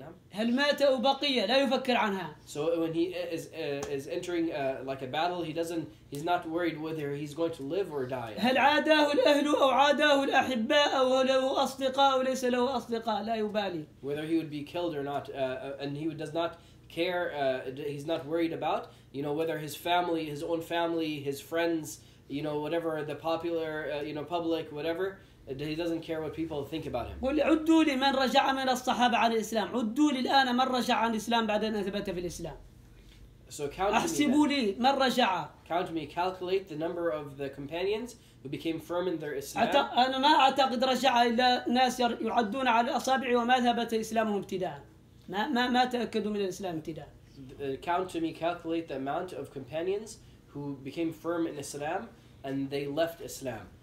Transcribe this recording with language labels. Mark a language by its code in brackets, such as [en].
[ar] هل مات أو بقية لا يفكر عنها. [en] So when he is entering like a battle, he's not worried whether he's going to live or die. [ar] هل عاداه الأهل أو عاداه الأحباء أو له أصدقاء أو ليس له أصدقاء لا يبالي. [en] Whether he would be killed or not, and he does not care. He's not worried about, you know, whether his family, his own family, his friends, you know, whatever the popular, you know, public, whatever. He doesn't care what people think about him. [ar] قل عدوا لمن رجع من الصحابة عن الإسلام. عدوا للآن من رجع عن الإسلام بعد أن أثبت في الإسلام. [en] So count أحسبوا لي من رجع. Count me, calculate the number of the companions who became firm in their Islam. [ar] أنا ما أعتقد رجع إلا ناس يعدون على الأصابع وما ثبت إسلامهم ابتداء. ما تأكدوا من الإسلام ابتداء. [en] Count to me, calculate the amount of companions who became firm in Islam and they left Islam.